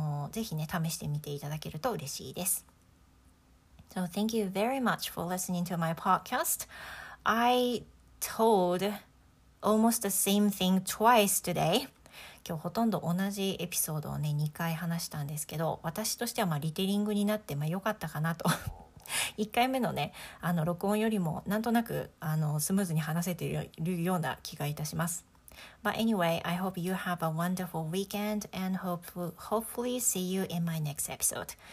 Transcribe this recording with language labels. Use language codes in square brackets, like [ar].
[ja] ぜひね、試してみていただけると嬉しいです。 [en] So thank you very much for listening to my podcast. I told almost the same thing twice today. [ja] 今日ほとんど同じエピソードをね、2回話したんですけど、私としては、まあ、リテリングになって、まあ、よかったかなと。 1回目のね、録音よりもなんとなく、スムーズに話せているような気がいたします。 [en] But anyway, I hope you have a wonderful weekend and hopefully see you in my next episode.